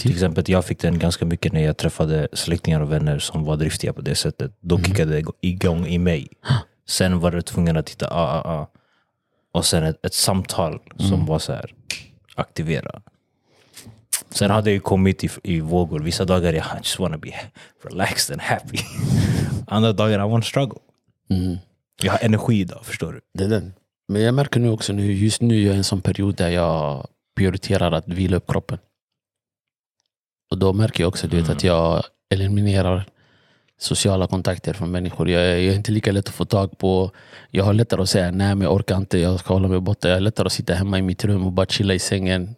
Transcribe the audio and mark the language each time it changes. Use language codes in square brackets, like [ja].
[sv] Till exempel, jag fick den ganska mycket när jag träffade släktingar och vänner som var driftiga på det sättet. Då kickade det igång i mig. Huh. Sen var du tvungen att hitta Och sen ett samtal som var så här, aktivera. Sen hade jag ju kommit i vågor. Vissa dagar, [en] I just want to be relaxed and happy. [sv] Andra dagar, [en] I want to struggle. Mm. [sv] Jag har energi idag, förstår du? Det är den. Men jag märker nu också, just nu är jag i en sån period där jag prioriterar att vila upp kroppen. Och då märker jag också, du vet, att jag eliminerar sociala kontakter från människor. Jag är inte lika lätt att få tag på. Jag har lättare att säga, nej men jag orkar inte, jag ska hålla mig borta. Jag har lättare att sitta hemma i mitt rum och bara chilla i sängen.